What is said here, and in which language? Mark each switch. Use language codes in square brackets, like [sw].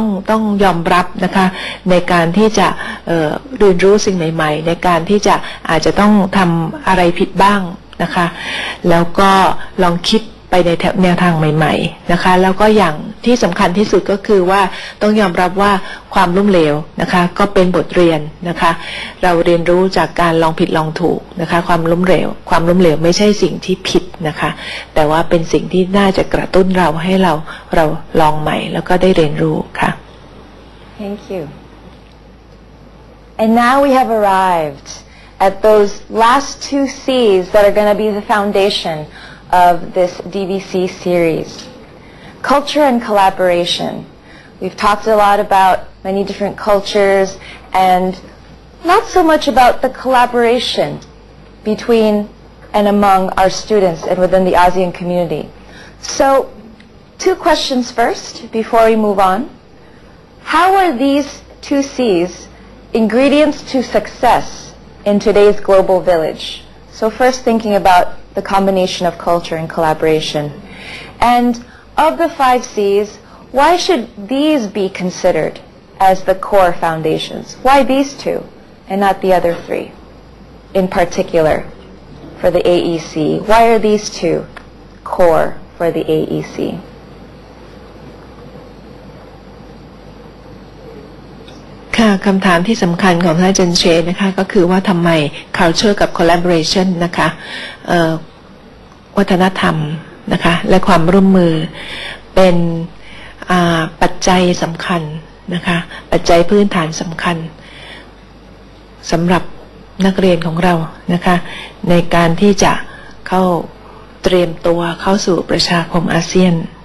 [th] ต้องยอมรับนะคะในการที่จะเรียนรู้สิ่งใหม่ๆในการที่จะอาจจะต้องทำอะไรผิดบ้างนะคะแล้วก็ลองคิดไปในแนวทางใหม่ๆนะคะแล้วก็อย่างที่สำคัญที่สุดก็คือว่าต้องยอมรับว่าความล้มเหลวนะคะก็เป็นบทเรียนนะคะ เราเรียนรู้จากการลองผิดลองถูกนะคะความล้มเหลวไม่ใช่สิ่งที่ผิดนะคะแต่ว่าเป็นสิ่งที่น่าจะกระตุ้นเราให้เราลองใหม่แล้วก็ได้เรียนรู้ค่ะ [en] Thank you. And now we have arrived at those last two C's that are going to be the foundation of this DVC series. Culture and collaboration. We've talked a lot about many different cultures and not so much about the collaboration between and among our students and within the ASEAN community. So, two questions first before we move on. How are these two C's ingredients to success in today's global village? So first thinking about the combination of culture and collaboration. And of the five C's, why should these be considered as the core foundations? Why these two and not the other three in particular for the AEC? Why are these two core for the AEC? [th] ค่ะคำถามที่สำคัญของท่านเจนเชนะคะก็คือว่าทำไม culture กับ collaboration นะคะวัฒนธรรมนะคะและความร่วมมือเป็น ปัจจัยสำคัญนะคะปัจจัยพื้นฐานสำคัญสำหรับนักเรียนของเรานะคะในการที่จะเข้าเตรียมตัวเข้าสู่ประชาคมอาเซียน